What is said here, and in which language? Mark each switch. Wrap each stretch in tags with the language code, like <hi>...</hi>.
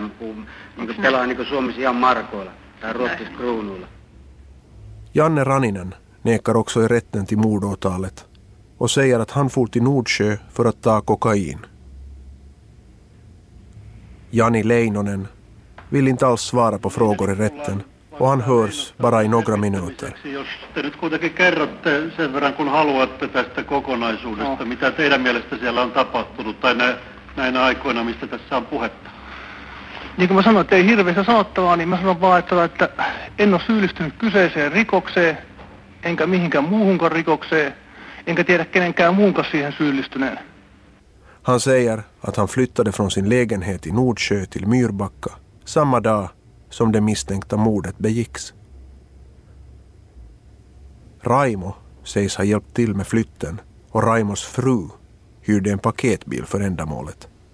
<fi>Mä puhun, niin kuin pelaan niin kuin Suomessa ihan markoilla tai ruottiskruunuilla.</fi> <sv>Janne Raninen nekar också i rätten till mordåtalet och säger att han for till Nordsjö för att ta kokain. Jani Leinonen vill inte alls svara på frågor i rätten och han hörs bara i några minuter.</sv> <fi>Jos te nyt kuitenkin kerrotte sen verran kun haluatte tästä kokonaisuudesta, no, mitä teidän mielestä siellä on tapahtunut tai näinä aikoina, mistä tässä on puhetta. Niin kuin mä sanoin, että ei hirveästi sanottavaa, niin mä sanon vaan, että en ole syyllistynyt kyseiseen rikokseen, enkä mihinkään muuhunkaan rikokseen, enkä tiedä kenenkään muunkaan siihen syyllistyneen.</fi> <sv>Han säger att han flyttade från sin lägenhet i Nordsjö till Myrbacka samma dag som det misstänkta mordet begicks. Raimo sägs ha hjälpt till med flytten och Raimos fru hyrde en paketbil för ändamålet.</sv>